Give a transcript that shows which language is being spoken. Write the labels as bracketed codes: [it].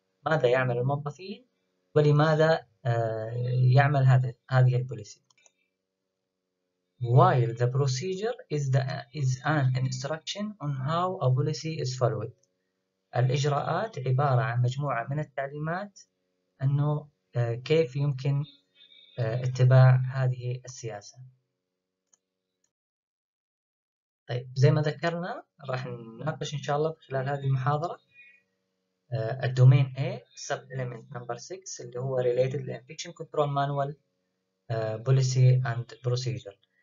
[ar] ماذا يعمل الموظفين ولماذا يعمل هذه البوليسي. [en] While the procedure is an instruction on how a policy is followed. [ar] الإجراءات عبارة عن مجموعة من التعليمات انه كيف يمكن اتباع هذه السياسة. طيب زي ما ذكرنا راح نناقش إن شاء الله في خلال هذه المحاضرة الدومين [en] A sub element number 6 [ar] اللي هو [en] related to infection control manual policy and procedure.